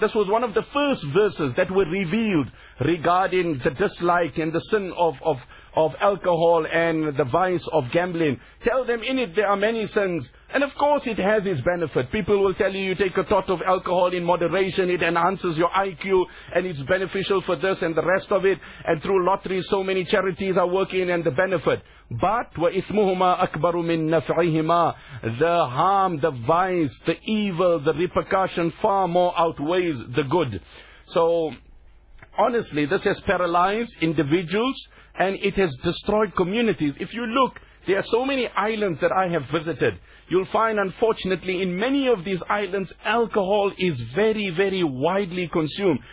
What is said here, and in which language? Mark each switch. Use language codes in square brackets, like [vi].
[en] This was one of the first verses that were revealed regarding the dislike and the sin of alcohol and the vice of gambling. Tell them in it there are many sins. And of course it has its benefit. People will tell you, you take a tot of alcohol in moderation, it enhances your IQ and it's beneficial for this and the rest of it. And through lotteries so many charities are working and the benefit. [ar] But وَإِثْمُهُمَا أَكْبَرُ مِن نَفْعِهِمَا. [en] The harm, the vice, the evil, the repercussion far more outweighs the good. So honestly, this has paralyzed individuals and it has destroyed communities. If you look, there are so many islands that I have visited. You'll find, unfortunately, in many of these islands, alcohol is very, very widely consumed.